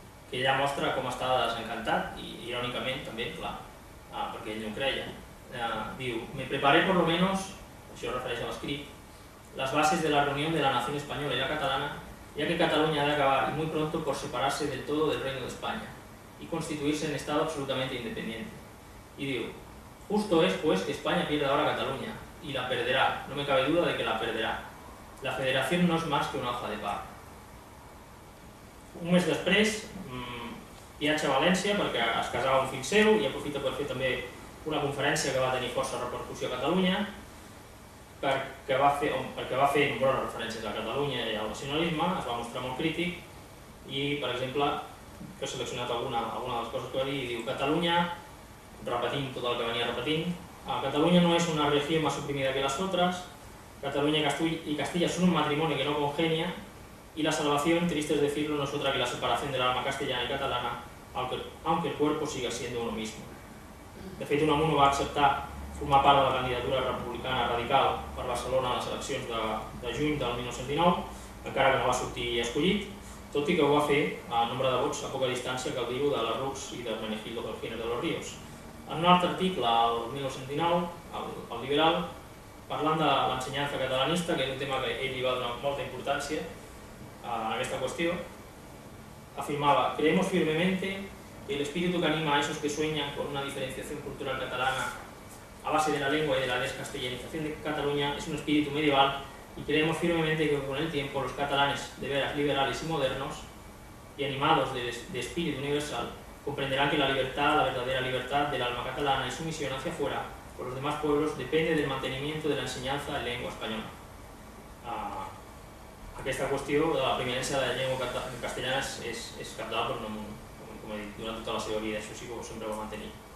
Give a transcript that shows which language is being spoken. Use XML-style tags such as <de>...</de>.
<ca>que ella mostra com estava desencantat, i irònicament també, clar, perquè ell no ho creia, diu:</ca> <es>me preparé por lo menos,</es> <ca>això es refereix a l'escrit,</ca> <es>las bases de la reunión de la nación española y la catalana, ya que Cataluña ha de acabar y muy pronto por separarse del todo del reino de España y constituirse en estado absolutamente independiente. Y digo, justo es pues que España pierda ahora Cataluña y la perderá, no me cabe duda de que la perderá. La federación no es más que una hoja de par.</es> <ca>Un mes després, viatge a València perquè es casava un fill seu i aprofita per fer també una conferència que va tenir força repercussió a Catalunya, perquè va fer nombroses referències a Catalunya i al nacionalisme, es va mostrar molt crític i, per exemple, que he seleccionat alguna de les coses que va dir, i diu: Catalunya, repetint tot el que venia repetint, Catalunya no és una regió més suprimida que les altres, Catalunya i Castilla són un matrimoni que no congenia i la salvació,</ca> <es>triste es decirlo,</es> <ca>no és altra que la separació de l'alma castellana i catalana,</ca> <es>aunque el cuerpo siga siendo uno mismo.</es> <ca>De fet, Unamuno va acceptar formar part de la candidatura republicana radical per Barcelona a les eleccions de juny del 1919, encara que no va sortir escollit, tot i que ho va fer a nombre de vots a poca distància, cal dir-ho, de la Rux i de Menegildo Calfiner de los Ríos. En un altre article, el 1919, el Liberal, parlant de l'ensenyança catalanista, que és un tema que ell li va donar molta importància en aquesta qüestió, afirmava:</ca> <es>creemos firmemente que el espíritu que anima a esos que sueñan con una diferenciación cultural catalana a base de la lengua y de la descastellanización de Cataluña es un espíritu medieval, y creemos firmemente que con el tiempo los catalanes de veras liberales y modernos y animados de espíritu universal comprenderán que la libertad, la verdadera libertad del alma catalana y su misión hacia afuera por los demás pueblos depende del mantenimiento de la enseñanza en lengua española.</es> <ca>Aquesta qüestió de la primerència de la llengua castellana és capdalt per un món, com he dit, durant tota la seva vida, això sí que ho sempre va mantenir.</ca>